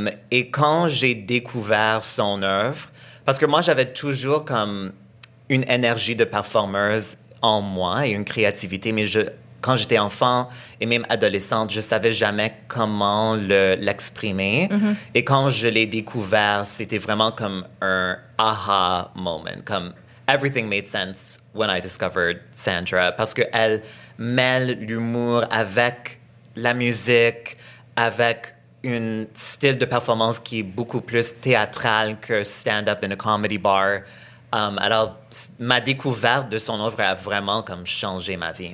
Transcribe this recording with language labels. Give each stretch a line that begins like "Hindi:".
French: Et quand j'ai découvert son œuvre, parce que moi j'avais toujours comme une énergie de performeuse en moi et une créativité, mais quand j'étais enfant et même adolescente, je ne savais jamais comment l'exprimer. Mm-hmm. Et quand je l'ai découvert, c'était vraiment comme un aha moment.
English: Comme everything made sense when I discovered Sandra.
French: Parce qu'elle mêle l'humour avec la musique, avec un style de performance qui est beaucoup plus théâtral que
English: stand-up in a comedy bar.
French: Alors, ma découverte de son œuvre a vraiment comme changé ma vie.